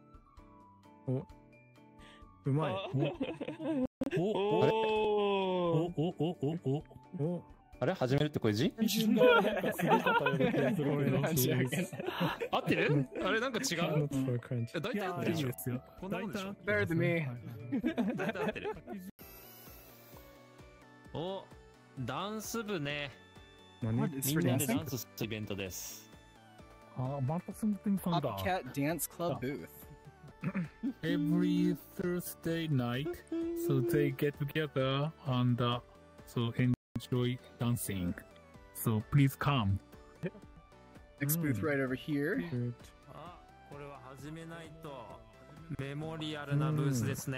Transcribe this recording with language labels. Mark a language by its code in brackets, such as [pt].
[ja] Oh. Oh. Oh. Oh. Oh. Oh. お、ダンス部ね。何みんなでダンスするイベントです。あ、またそのテンションだ。 [en] Top Cat Dance Club Booth. Every Thursday night, so they get together and so enjoy dancing. So please come. Next booth right over here. [ja] あ、これは始めないとメモリアルなブースですね。